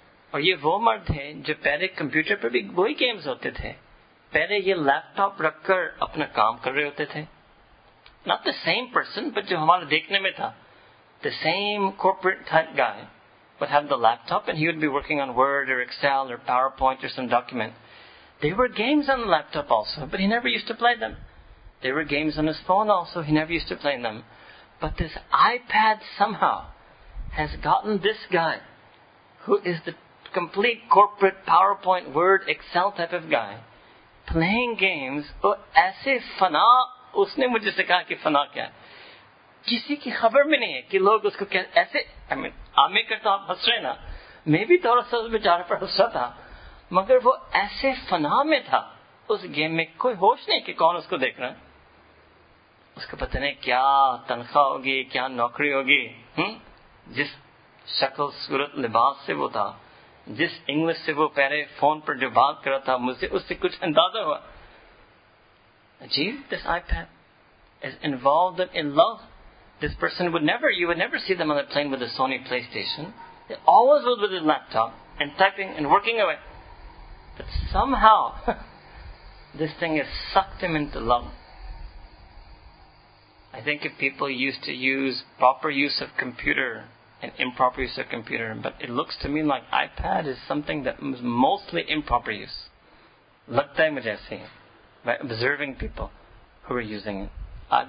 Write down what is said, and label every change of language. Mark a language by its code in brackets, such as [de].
[ur] اور یہ وہ مرد ہیں جو پہلے کمپیوٹر پر بھی وہی گیمز ہوتے تھے, پہلے یہ لیپ ٹاپ رکھ کر اپنا کام کر رہے ہوتے تھے. [en] not the same person, but [ur] جو ہمارے دیکھنے میں تھا [en] The same corporate guy, but have the laptop and he would be working on Word or Excel or PowerPoint or some document. They were games on the laptop also, but he never used to play them. They were games on his phone also, he never used to play them. But this iPad somehow has gotten this guy, who is the complete corporate PowerPoint, Word, Excel type of guy, playing games, [ur] اور ایسے فنا, اس نے مجھے سے کہا کہ فنا کیا ہے, کسی کی خبر میں نہیں ہے کہ لوگ اس کو ایسے, آمیں کرتا آپ ہس رہے نا, میں بھی تھوڑا سا بیچارے پر ہس رہا تھا, مگر وہ ایسے فنا میں تھا اس گیم میں, کوئی ہوش نہیں کہ کون اس کو دیکھ رہا ہے, اس کو پتہ نہیں کیا تنخواہ ہوگی, کیا نوکری ہوگی. جس شکل صورت لباس سے وہ تھا, جس انگلش سے وہ پہلے فون پر جو بات کر رہا تھا مجھ سے, اس سے کچھ اندازہ ہوا. عجیب, [en] This iPad is involved in love. This person would never, you would never see them on the plane with the Sony PlayStation, they always with the laptop and typing and working away. But somehow this thing is sucked him into love. I think of people use to use proper use of computer and improper use of computer, but it looks to me like iPad is something that is mostly improper use. [ur] Lagta hai mujhe aise [en] by observing people who are using it.